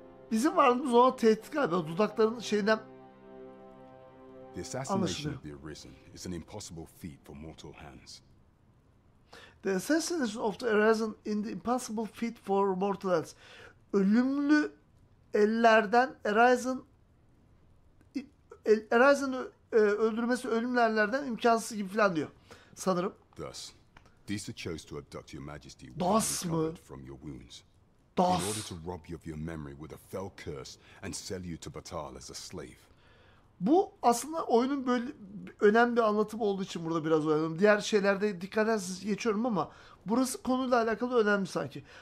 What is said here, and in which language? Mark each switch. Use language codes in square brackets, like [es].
[tr] Bizim varlığımız ona tehdit galiba. Dudakların şeyinden [en] the assassination of the arisen is an impossible feat for mortal hands. The assassination of the arisen is an impossible feat for mortal hands. [tr] Ölümlü ellerden arisen'ı öldürmesi ölümlü ellerden imkansız gibi falan diyor. Sanırım. [en] Thus, Deesa chose to abduct your majesty from your wounds. Das. In order to rob you of your memory with a fell curse and sell you to Batal as a slave. [tr] Bu aslında oyunun böyle önemli bir anlatımı olduğu için burada biraz oynadım. Diğer şeylerde dikkat edersiniz geçiyorum ama burası konuyla alakalı önemli sanki.